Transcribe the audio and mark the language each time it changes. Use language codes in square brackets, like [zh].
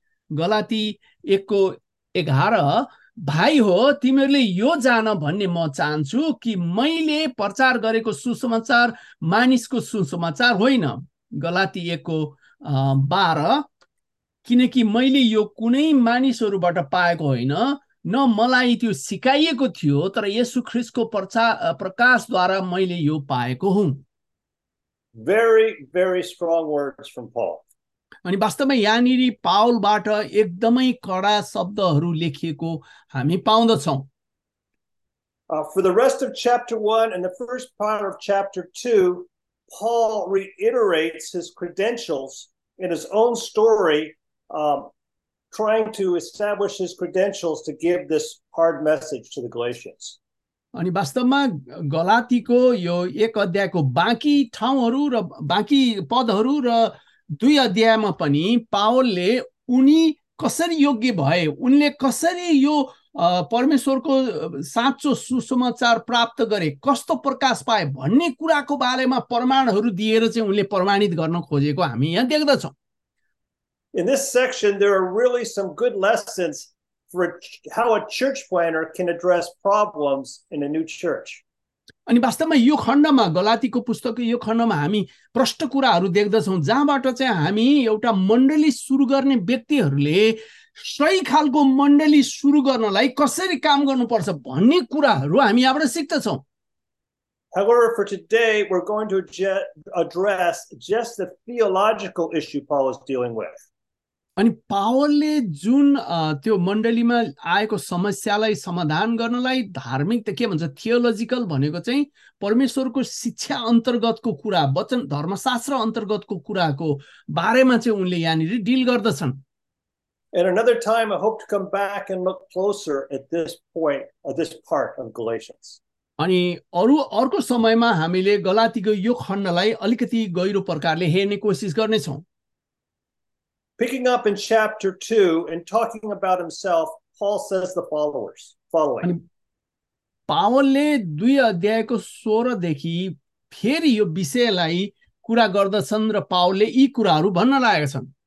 [ne] गलाती 1:11, भाइ हो तिमीहरूले यो जान भन्ने म चाहन्छु कि मैले प्रचार गरेको सुसमाचार मानिसको सुसमाचार होइन. गलाती 1:12, किनकि मैले यो कुनै मानिसहरूबाट पाएको होइन न मलाई त्यो सिकाइएको थियो, तर येशु ख्रिस्टको प्रकाशद्वारा मैले यो पाएको हुँ. [en] Very, very strong words from Paul. [ne] अनि वास्तवमा यहाँनिर पावलबाट एकदमै कडा शब्दहरू लेखिएको हामी पाउँदछौँ. [en] For the rest of chapter 1 and the first part of chapter 2, Paul reiterates his credentials in his own story, trying to establish his credentials to give this hard message to the Galatians. [ne] अनि वास्तवमा गलातीको यो 1 बाँकी ठाउँहरू र बाँकी पदहरू र 2 पनि पावलले उनी कसरी योग्य भए, उनले कसरी यो परमेश्वरको साँचो सुसमाचार प्राप्त गरे, कस्तो प्रकाश पाए भन्ने कुराको बारेमा प्रमाणहरू दिएर चाहिँ उनले प्रमाणित गर्न खोजेको हामी यहाँ देख्दछौँ. [en] In this section, there are really some good lessons for how a church planner can address problems in a new church. [ne] अनि वास्तवमा यो खण्डमा, गलातीको पुस्तकको यो खण्डमा हामी प्रष्ट कुराहरू देख्दछौँ जहाँबाट चाहिँ हामी एउटा मण्डली सुरु गर्ने व्यक्तिहरूले सही खालको मण्डली सुरु गर्नलाई कसरी काम गर्नुपर्छ भन्ने कुराहरू हामी यहाँबाट सिक्दछौँ. [en] However, for today, we're going to address just the theological issue Paul is dealing with. [ne] अनि पावलले जुन त्यो मण्डलीमा आएको समस्यालाई समाधान गर्नलाई धार्मिक त के भन्छ, थियोलोजिकल भनेको चाहिँ परमेश्वरको शिक्षा अन्तर्गतको कुरा, वचन धर्मशास्त्र अन्तर्गतको कुराको बारेमा चाहिँ उनले यहाँनिर डिल गर्दछन्. [en] At another time, I hope to come back and look closer at this point, at this part of Galatians. [ne] अनि अरू अर्को समयमा हामीले गलातीको यो खण्डलाई अलिकति गहिरो प्रकारले हेर्ने कोसिस गर्नेछौँ. [en] Picking up in chapter 2 and talking about himself, Paul says the following. अनि [ne] पावलले 2:16 फेरि यो विषयलाई कुरा गर्दछन् र पावलले यी कुराहरू भन्न लागेका छन्.